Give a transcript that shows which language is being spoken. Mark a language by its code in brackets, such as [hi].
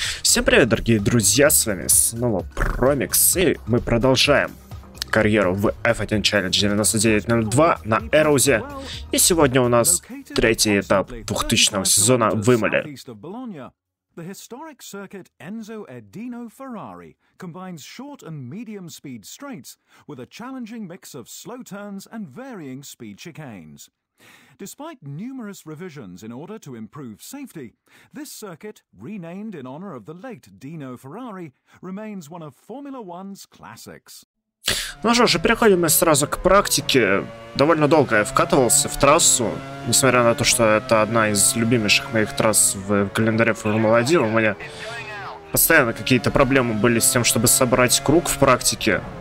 [ru] Всем привет, дорогие друзья, с вами снова Промикс, и мы продолжаем карьеру в F1 Challenge 9902 на Эрузе. И сегодня у нас третий этап 2000 сезона в Имоле. [en] The historic circuit Enzo Edino Ferrari combines short and medium speed straights with a challenging mix of slow turns and varying speed chicanes. Despite numerous revisions in order to improve safety, this circuit, renamed in honor of the late Dino Ferrari, remains one of Formula One's classics. [ru] Ну что ж, переходим мы сразу к практике. Довольно долго я вкатывался в трассу, несмотря на то, что это одна из любимейших моих трасс в календаре Формулы-1. У меня постоянно какие-то проблемы были с тем, чтобы собрать круг в практике.